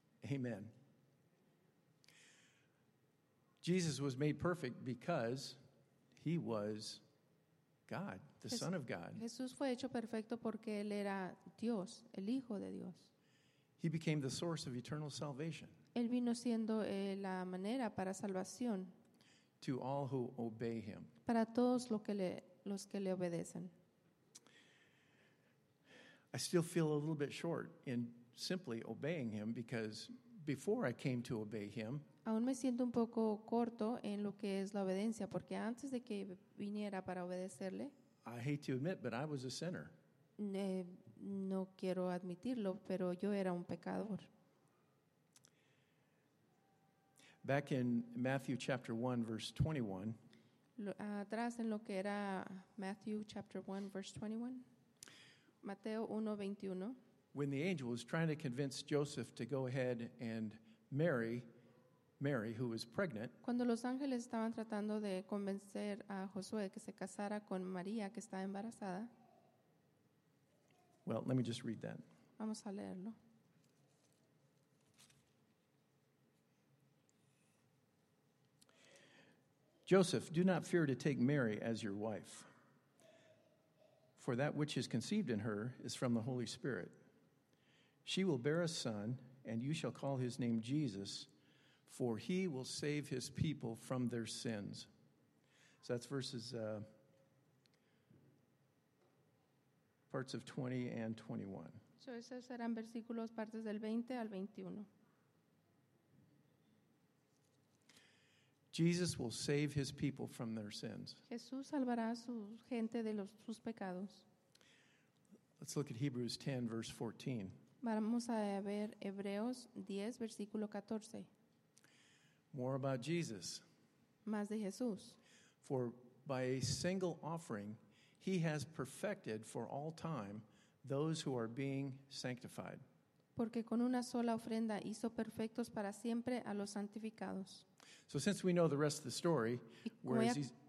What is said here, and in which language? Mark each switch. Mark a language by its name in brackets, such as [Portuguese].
[English] Amen. Jesus was made perfect because he was God, the Son of God. [Spanish] Jesús fue hecho perfecto porque él era Dios, el Hijo de Dios. [English] He became the source of eternal salvation. [Spanish] Él vino siendo la manera para salvación [English] to all who obey him. [Spanish] Para todos los que le obedecen. [English] I still feel a little bit short in simply obeying him because before I came to obey him, [Spanish] aún me siento un poco corto en lo que es la obediencia porque antes de que viniera para obedecerle, [English] I hate to admit, but I was a sinner. [Spanish] No quiero admitirlo, pero yo era un pecador. [English] Back in Matthew chapter 1, verse 21. [Spanish] Atrás en lo que era Matthew [English] chapter 1, verse 21. [Spanish] Mateo 1, 21. [English] When the angel was trying to convince Joseph to go ahead and marry Mary, who was pregnant. [Spanish] Cuando los ángeles estaban tratando de convencer a Josué que se casara con María, que estaba embarazada. [English] Well, let me just read that. [Spanish] Vamos a leerlo. [English] Joseph, do not fear to take Mary as your wife, for that which is conceived in her is from the Holy Spirit. She will bear a son, and you shall call his name Jesus, for he will save his people from their sins. So that's verses, parts of 20 and 21. [Spanish] So esos serán versículos partes del 20 al 21. [English] Jesus will save his people from their sins. [Spanish] Jesús salvará a su gente de sus pecados. [English] Let's look at Hebrews 10, verse 14. [Spanish] Vamos a ver Hebreos 10, versículo 14. [English] More about Jesus. [Spanish] Más de Jesús. [English] For by a single offering, he has perfected for all time those who are being sanctified. [Spanish] Porque con una sola ofrenda hizo perfectos para siempre a los santificados. [English] So since we know the rest of the story, whereas